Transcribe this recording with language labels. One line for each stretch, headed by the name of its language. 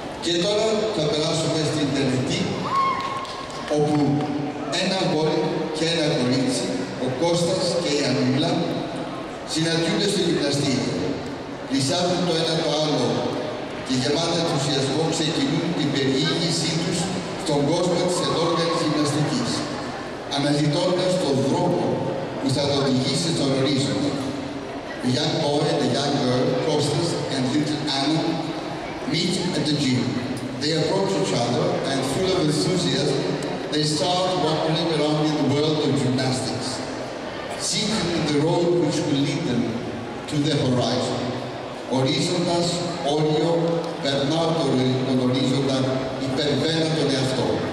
Greek: Και τώρα θα περάσουμε στην τελετή, όπου ένα γόρι και ένα κορίτσι, ο Κώστας και η Ανούλα, συναντιούνται στο γυμναστήριο. Λυσάζουν το ένα το άλλο και γεμάτα ενθουσιασμό ξεκινούν την περιήγησή τους στον κόσμο της ενόργανης γυμναστικής, αναζητώντας τον δρόμο που θα το οδηγήσει στον ορίζοντα.
English: The young boy and the young girl, Kostas and little Anna, meet at the gym. They approach each other and full of enthusiasm, they start wandering around in the world of gymnastics, seeking the road which will lead them to the horizon.
Greek: Ορίζοντας όριο, περνά τον ορίζοντα, υπερβαίνει τον εαυτό.